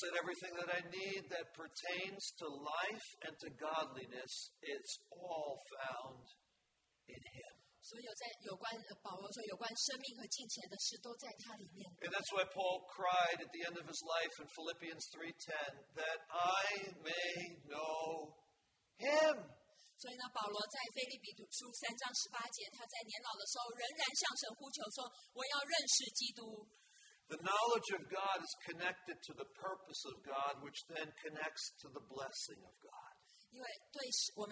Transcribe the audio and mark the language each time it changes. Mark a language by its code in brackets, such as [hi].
[en] said, "Everything that I need that pertains to life and to godliness is all found in Him." [zh] 所有在有关保罗说有关生命和金钱的事都在他里面。 [en] And that's why Paul cried at the end of his life in Philippians 3:10 that I may know Him. [zh] 所以呢，保罗在腓立比书3:18，他在年老的时候仍然向神呼求说：“我要认识基督。” [en] The knowledge of God is connected to the purpose of God, which then connects to the blessing of God.